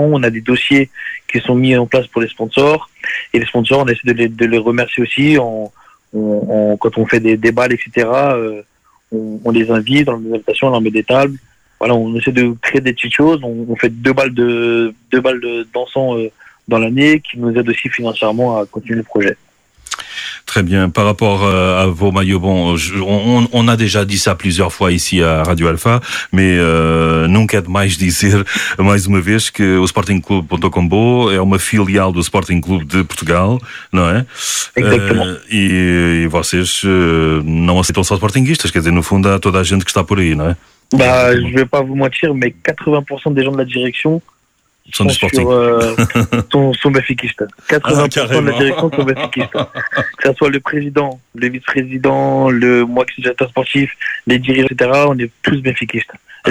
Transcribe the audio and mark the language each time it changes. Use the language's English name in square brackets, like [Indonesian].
[French] On a des dossiers qui sont mis en place pour les sponsors. Et les sponsors, on essaie de les remercier aussi quand on fait des débats, etc. On les invite dans les invitations, on leur met des tables. Voilà, on essaie de créer des petites choses. On fait deux balles d'encens dans l'année qui nous aident aussi financièrement à continuer le projet. Très bien. Par rapport à vos maillots, bon, on a déjà dit ça plusieurs fois ici à Radio Alpha, mais [Portuguese] nunca é demais dizer mais uma vez que o Sporting Clube Ponta Combo é uma filial do Sporting Clube de Portugal, não é? Exatamente. E vocês não aceitam só sportinguistas, quer dizer, no fundo há toda a gente que está por aí, não é? [French] Bah, je vais pas vous mentir, mais 80% des gens de la direction sont du Sporting. sont béfiquistes. 80% de la direction sont béfiquistes. Que ça soit le président, le vice-président, moi qui suis directeur sportif, les dirigeants, etc., on est tous béfiquistes. Ah.